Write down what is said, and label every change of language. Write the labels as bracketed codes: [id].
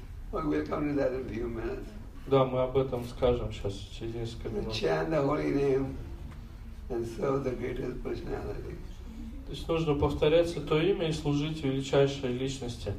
[en] Well, we'll come to that in a few minutes. [ru] Да, мы об этом скажем сейчас через несколько минут. [en] Chant the holy name and serve the greatest personality. [ru] То есть нужно повторять святое имя и служить величайшей личности.